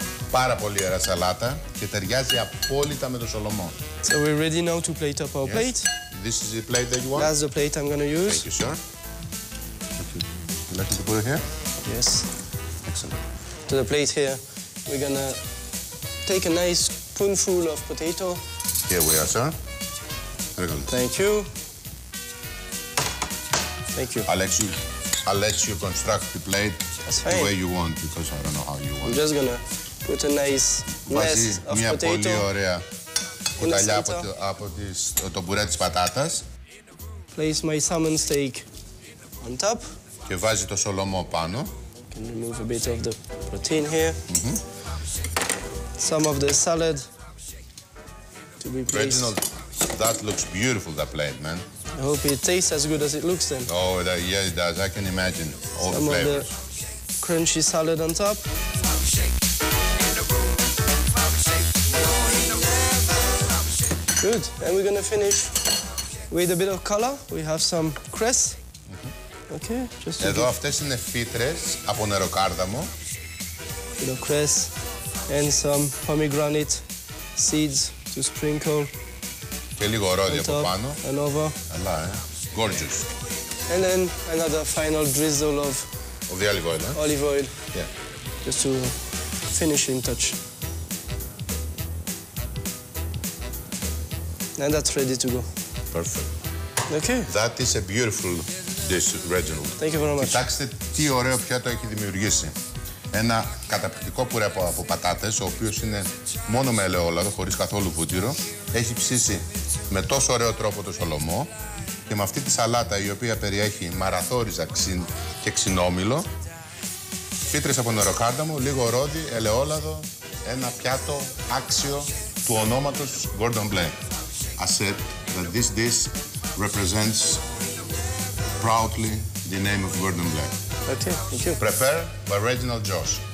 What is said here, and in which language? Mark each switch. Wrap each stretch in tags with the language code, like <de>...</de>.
<el>Πάρα πολύ ωραία σαλάτα και ταιριάζει απόλυτα με το σολομό.</el> <en>So we're ready now to plate up our yes. plate. This is the plate that you want? That's the plate I'm going to use. Thank you, sir. Thank you. You like to put it here? Yes. Excellent. To the plate here, we're going to take a nice spoonful of potato. Here we are, sir. Thank you. Thank you. I'll let you construct the plate that's fine. The way you want, because I don't know how you want I'm just going to put a nice mess of potato.</en> <el>Πολύ ωραία. Κουταλιά από το μπουρέ της πατάτας.</el> <en>Place my salmon steak on top.</en> <el>Και βάζει το σολομό πάνω.</el> <en>Can remove a bit of the protein here. Mm-hmm. Some of the salad to be placed. Reginald, that looks beautiful, that plate, man. I hope it tastes as good as it looks then. Oh, that, yeah, it does. I can imagine all some the flavors. Some of the crunchy salad on top. Good. And we're gonna finish with a bit of color. We have some cress. Okay. Just.</en> <el>Εδώ αυτές είναι φύτρες από νεροκάρδαμο.</el> <en>A bit of cress and some pomegranate seeds to sprinkle.</en> <el>Και λίγο ρόδι από πάνω.</el> <en>And over.</en> <el>Καλά, ε.</el> <en>Gorgeous. And then another final drizzle of the olive oil. Eh? Olive oil. Yeah. Just to finish in touch. And that's ready to go. Perfect. Okay. That is a beautiful dish, Reginald. Thank you very much.</en> <el>Κοιτάξτε τι ωραίο πιάτο έχει δημιουργήσει. Ένα καταπληκτικό πουρέ από πατάτες, ο οποίος είναι μόνο με ελαιόλαδο, χωρίς καθόλου βούτυρο. Έχει ψήσει με τόσο ωραίο τρόπο το σολομό και με αυτή τη σαλάτα, η οποία περιέχει μαραθώριζα και ξινόμηλο, φύτρες από νεροκάρδαμο, λίγο ρόδι, ελαιόλαδο, ένα πιάτο άξιο του ονόματος Gordon Blaye.</el> <en>I said that this dish represents proudly the name of Gordon Blaye. Okay, thank you. Prepared by Reginald Josh.</en>